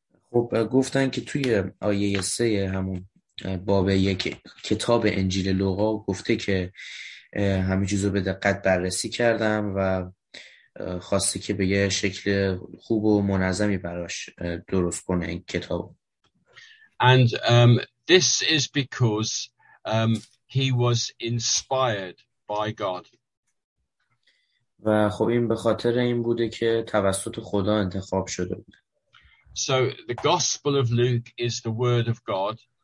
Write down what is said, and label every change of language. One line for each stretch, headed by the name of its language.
Persian: خب گفتن که توی آیه 3 همون باب یک کتاب انجیل لوقا گفته که همه چیزو به دقت بررسی کردم و خواسته که به یه شکل خوب و منظمی براش درست کنه این کتاب.
English: And this is because he was inspired by God.
Persian: و خب این به خاطر این بوده که توسط خدا انتخاب شده بود.
English: So the gospel of Luke is the word of God.